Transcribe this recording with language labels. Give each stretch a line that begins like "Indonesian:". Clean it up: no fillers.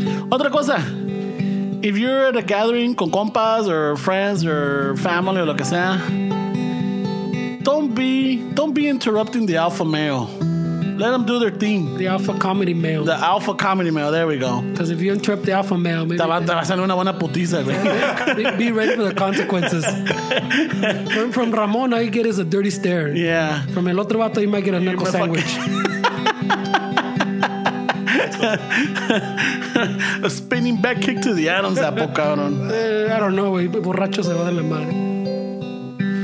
Spanish: Otra cosa.
English: If you're at a gathering
Spanish: con compas
English: or friends or family or
Spanish: lo que sea,
English: don't be interrupting the alpha male. Let them do their thing. The alpha comedy male. The alpha comedy male. There we go. Because if you interrupt the alpha male, maybe
Spanish: te va a salir una buena putiza, güey.
English: Be ready for the consequences. From Ramon, all you get is a dirty stare. Yeah. From
Spanish: el otro vato,
English: you might get a knuckle sandwich. A spinning back kick to the Adam's apple, cabrón. I don't know,
Spanish: güey. Borracho se va de la madre.